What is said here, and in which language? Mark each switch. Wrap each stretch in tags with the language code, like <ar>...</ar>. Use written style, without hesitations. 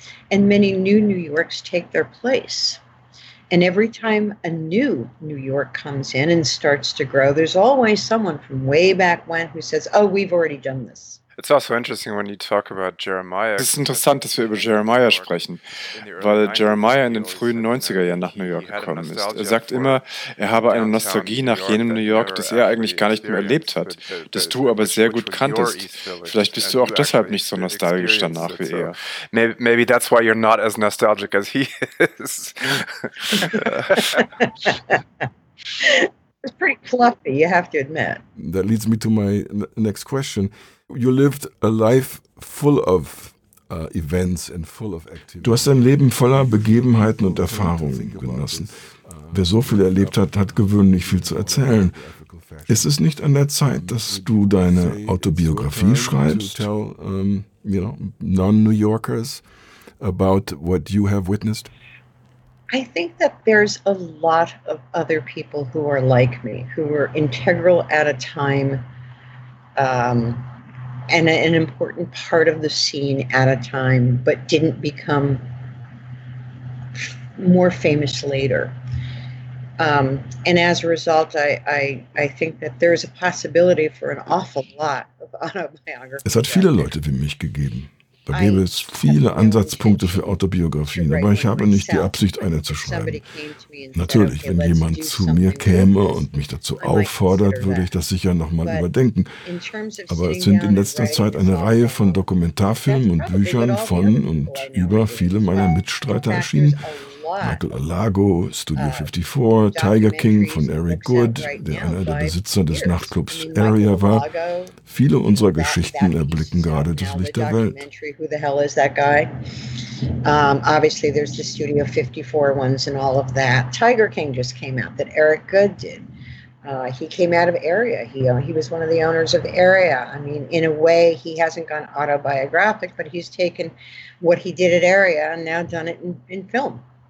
<en>And many new New Yorks take their place. And every time a new New York comes in and starts to grow, there's always someone from way back when who says, oh, we've already done this. It's also interesting when you talk about Jeremiah.</en> <de>Es ist interessant, dass wir über Jeremiah sprechen, weil Jeremiah in den frühen 90er Jahren nach New York gekommen ist. Er sagt immer, er habe eine Nostalgie nach jenem New York, das er eigentlich gar nicht mehr erlebt hat, das du aber sehr gut kanntest. Vielleicht bist du auch deshalb nicht so nostalgisch danach wie er.</de> <en>Maybe that's why you're not as nostalgic as he is. It's pretty fluffy, you have to admit. That leads me to my next question. You lived a life full of events and full of activities.</en> <de>Du hast dein Leben voller Begebenheiten und Erfahrungen genossen. Wer so viel erlebt hat, hat gewöhnlich viel zu erzählen. Ist es nicht an der Zeit, dass du deine Autobiografie schreibst?</de> <en>Tell, you know, non-New Yorkers about what you have witnessed? I think that there's a lot of other people who are like me, who were integral at a time, and an important part of the scene at a time, but didn't become more famous later. And as a result, I think that there is a possibility for an awful lot of autobiography.</en> <de>Es hat viele Leute wie mich gegeben. Da gäbe es viele Ansatzpunkte für Autobiografien, aber ich habe nicht die Absicht, eine zu schreiben. Natürlich, wenn jemand zu mir käme und mich dazu auffordert, würde ich das sicher nochmal überdenken. Aber es sind in letzter Zeit eine Reihe von Dokumentarfilmen und Büchern von und über viele meiner Mitstreiter erschienen. Michael Alago, Studio 54, Tiger King von Eric Good, der einer der Besitzer des Nachtclubs Area war. Viele unserer Geschichten erblicken gerade das Licht der Welt.</de> <en>Who the hell is that guy? Obviously there's the Studio 54 ones and all of that. Tiger King just came out that Eric Good did. He came out of Area. He was one of the owners of Area. I mean, in a way, he hasn't gone autobiographic, but he's taken what he did at Area and now done it in film.</en>